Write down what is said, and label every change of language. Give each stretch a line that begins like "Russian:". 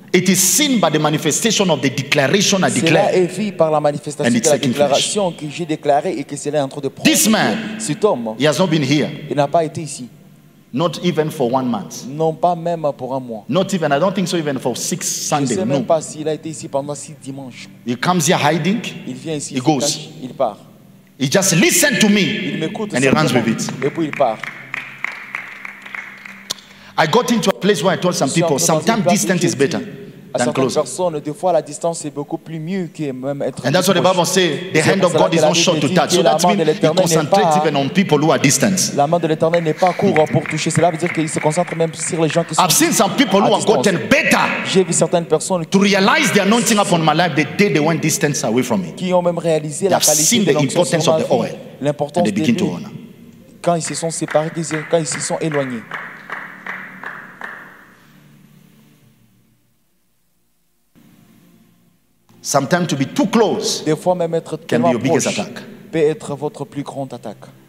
English: It is seen by the manifestation of the declaration I declare.
French: Cela est vu par la manifestation de la déclaration que j'ai déclarée et que cela est en train de prendre.
English: This man,
French: cet homme,
English: he has not been here.
French: Il n'a pas été ici.
English: Not even for 1 month.
French: Non, pas même pour un mois.
English: Not even, I don't think so, even for 6 Sundays.
French: Je sais même
English: no.
French: pas s'il a été ici pendant 6 dimanches.
English: He comes here hiding.
French: Il vient ici.
English: He goes.
French: Il part.
English: He just listened to me.
French: Il m'écoute.
English: And he runs with it.
French: Et puis il part.
English: I got into a place where I told some people, sometimes distance is better than closer.
French: Des fois la distance est beaucoup plus mieux que même être.
English: And that's what the Bible says. The hand of God is not short to touch. So that means he concentrates even on people who are distant.
French: La main de l'Éternel n'est pas courte pour toucher. Cela veut dire qu'il se concentre même sur les gens qui sont.
English: I've seen some people who have gotten better.
French: J'ai vu certaines personnes
English: to realize the anointing upon my life the day they went distance away from me.
French: Qui ont même réalisé la qualité.
English: They've seen the importance of the oil.
French: L'importance
English: they begin to honor.
French: Quand ils se sont séparés, quand ils se sont éloignés.
English: Sometimes to be too close
French: fois, même être
English: can be your biggest attack.
French: Peut être votre plus grande attaque.